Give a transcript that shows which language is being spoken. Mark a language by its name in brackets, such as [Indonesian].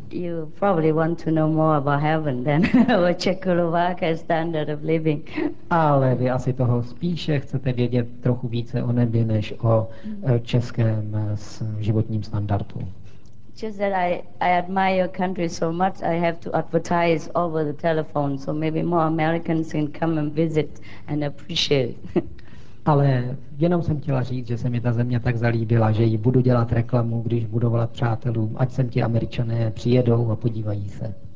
[English] You probably want to know more about heaven than our Czechoslovakian standard of living. [Czech] Ale vy asi toho spíše chcete vědět trochu více o nebi než o českém životním standardu. [English] Just that I admire your country so much, I have to advertise over the telephone, so maybe more Americans can come and visit and appreciate. [Czech] Ale jenom jsem chtěla říct, že se mi ta země tak zalíbila, že jí budu dělat reklamu, když budu volat přátelům, ať sem ti Američané přijedou a podívají se.